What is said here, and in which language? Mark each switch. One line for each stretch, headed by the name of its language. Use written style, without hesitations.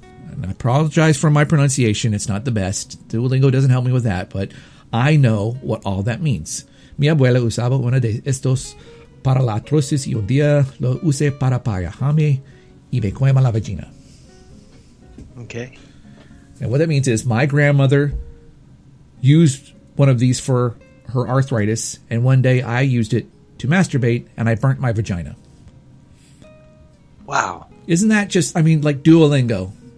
English: And I apologize for my pronunciation. It's not the best. Duolingo doesn't help me with that, but I know what all that means.
Spanish: Mi abuela usaba una de estos para la artrosis y un día lo usé para pajearme y me quema la vagina.
English: Okay. And what that means is my grandmother used one of these for her arthritis, and one day I used it to masturbate and I burnt my vagina. Wow. Isn't that just, I mean, like Duolingo.